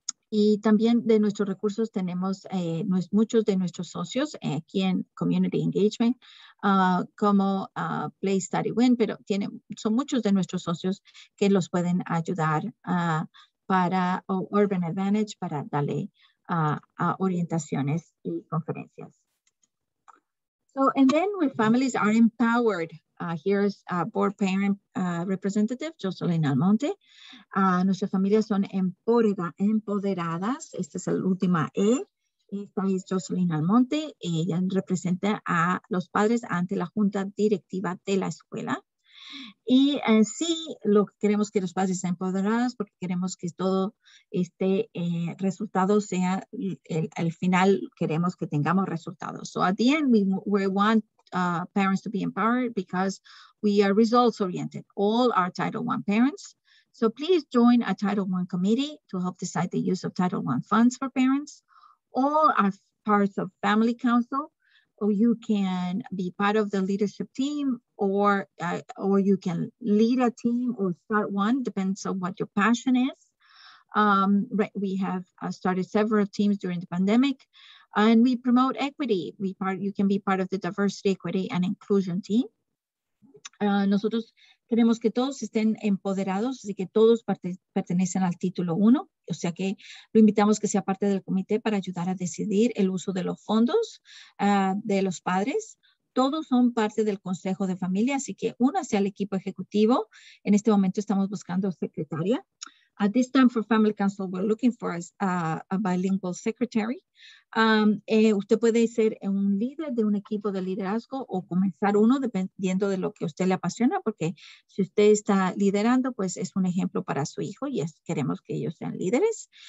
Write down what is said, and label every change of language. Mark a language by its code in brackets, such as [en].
[es] Y también de nuestros recursos tenemos muchos de nuestros socios aquí en Community Engagement, como Play Study Win, pero son muchos de nuestros socios que los pueden ayudar para Urban Advantage para darle a orientaciones y conferencias. [en] So, and then when families are empowered, here's a board parent representative, Jocelyn Almonte. [es] Nuestras familias son empoderadas. Esta es la última E. Esta es Jocelyn Almonte. Ella representa a los padres ante la junta directiva de la escuela. Y sí, lo que queremos que los padres sean empoderados porque queremos que todo este resultado sea el final, queremos que tengamos resultados. [en] So at the end, we want parents to be empowered because we are results oriented. All are Title I parents. So please join a Title I committee to help decide the use of Title I funds for parents. All are parts of family council. Or you can be part of the leadership team, or you can lead a team or start one, depends on what your passion is. We have started several teams during the pandemic, and we promote equity. You can be part of the diversity, equity, and inclusion team. [es] Nosotros queremos que todos estén empoderados, así que todos pertenecen al título uno. O sea que lo invitamos que sea parte del comité para ayudar a decidir el uso de los fondos de los padres. Todos son parte del consejo de familia, así que únase al equipo ejecutivo. En este momento estamos buscando secretaria. [en] At this time for Family Council, we're looking for a bilingual secretary. [es] Usted puede ser un líder de un equipo de liderazgo o comenzar uno dependiendo de lo que usted le apasiona, porque si usted está liderando, pues es un ejemplo para su hijo y queremos que ellos sean líderes.